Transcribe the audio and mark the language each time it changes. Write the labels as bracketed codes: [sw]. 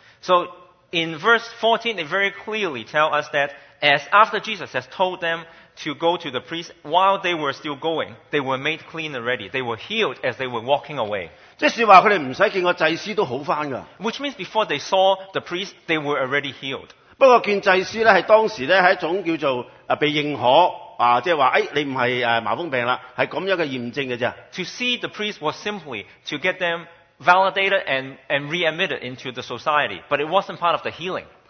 [en] So in verse 14, it very clearly tells us that as after Jesus has told them to go to the priest, while they were still going, they were made clean already. They were healed as they were walking away. [yue] 即是話佢哋唔使見個祭司都好翻㗎。Which [en] means before they saw the priest, they were already healed. [yue] 不過見祭司咧，係當時咧係一種叫做 被認可。即係話，你唔係麻風病啦，係咁樣嘅驗證嘅啫。To [en] see the priest was simply to get them validated and readmitted into the society, but it wasn't part of the healing.